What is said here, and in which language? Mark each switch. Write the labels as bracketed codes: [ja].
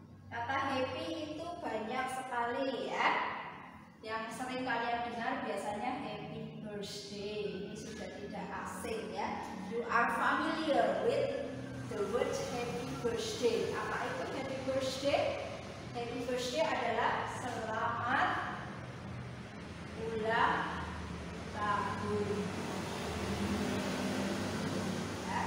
[id] Kata happy itu banyak sekali ya. Yang sering kalian dengar biasanya happy birthday. Ini sudah tidak asing ya. [en] You are familiar with the word happy birthday. [id] Apa itu happy birthday? Happy birthday adalah selamat ulang tahun ya.